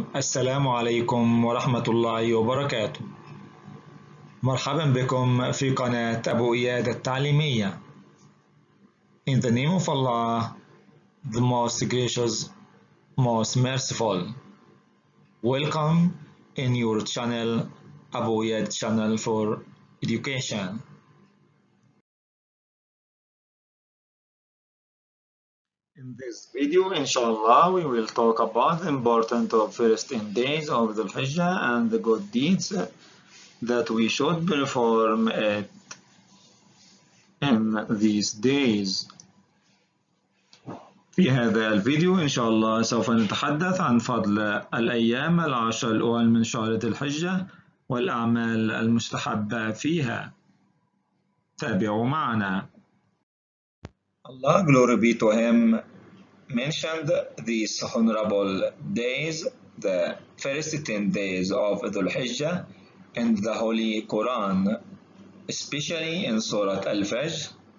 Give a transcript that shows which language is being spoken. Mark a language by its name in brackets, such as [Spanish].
[Arabic] السلام عليكم ورحمة الله وبركاته. مرحبا بكم في قناة أبو إياد التعليمية. [English] In the name of Allah, the most gracious, most merciful. Welcome in your channel, Abu Yad channel for education. In this video, inshallah, we will talk about the importance of fasting days of Dhul Hijjah and the good deeds that we should perform it in these days. [Arabic] في هذا الفيديو إن شاء الله سوف نتحدث عن فضل الأيام العشر الأول من شهر ذي الحجة والأعمال المستحبة فيها. تابعوا معنا. [English] الله glory be to him mentioned these honorable days, the first 10 days of Dhul Hijjah in the Holy Quran, especially in Surah Al-Fajr.